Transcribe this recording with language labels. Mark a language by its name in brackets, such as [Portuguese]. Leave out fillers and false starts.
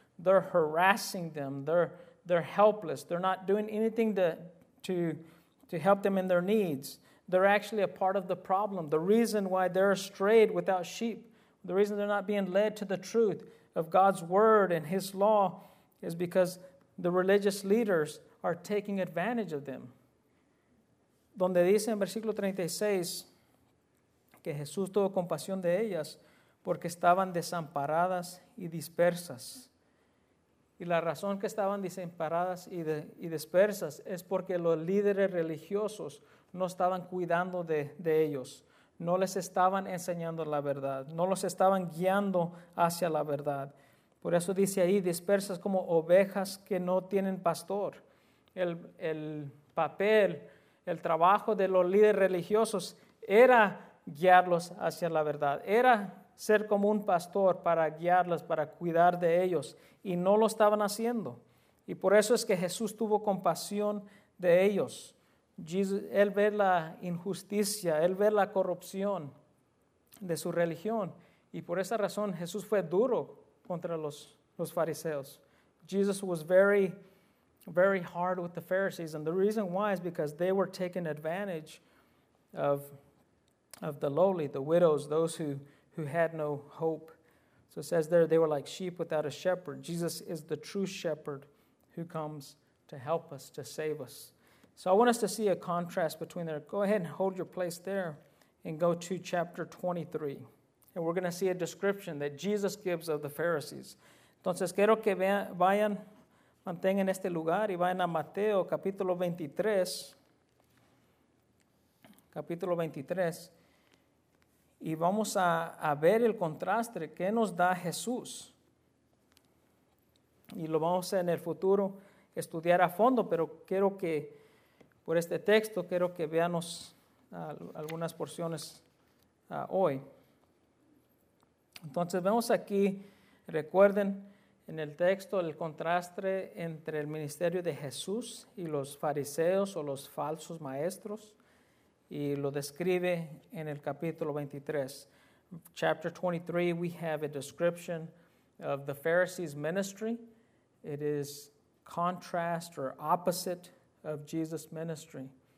[English] They're harassing them. They're helpless. They're not doing anything to help them in their needs. They're actually a part of the problem. The reason why they're strayed without sheep, the reason they're not being led to the truth of God's word and his law is because the religious leaders are taking advantage of them. [Spanish] Donde dice en versículo 36 que Jesús tuvo compasión de ellas porque estaban desamparadas y dispersas. Y la razón que estaban desamparadas y dispersas es porque los líderes religiosos no estaban cuidando de ellos. No les estaban enseñando la verdad. No los estaban guiando hacia la verdad. Por eso dice ahí, dispersas como ovejas que no tienen pastor. El papel, el trabajo de los líderes religiosos era guiarlos hacia la verdad. Era ser como un pastor para guiarlos, para cuidar de ellos, y no lo estaban haciendo. Y por eso es que Jesús tuvo compasión de ellos. Él ve la injusticia, él ve la corrupción de su religión. Y por esa razón Jesús fue duro contra los fariseos. [English] Jesus was very, very hard with the Pharisees. And the reason why is because they were taking advantage of the lowly, the widows, those who had no hope. So it says there, they were like sheep without a shepherd. Jesus is the true shepherd who comes to help us, to save us. So I want us to see a contrast between there. Go ahead and hold your place there and go to chapter 23. And we're going to see a description that Jesus gives of the Pharisees. [Spanish] Entonces, quiero que vayan, mantengan este lugar y vayan a Mateo, capítulo 23. Capítulo 23. Y vamos a ver el contraste que nos da Jesús. Y lo vamos a en el futuro estudiar a fondo, pero quiero que, por este texto, quiero que veamos algunas porciones hoy. Entonces, vemos aquí, recuerden, en el texto, el contraste entre el ministerio de Jesús y los fariseos o los falsos maestros, y lo describe en el capítulo 23. [English] Chapter 23, we have a description of the Pharisees' ministry. It is contrast or opposite of Jesus' ministry.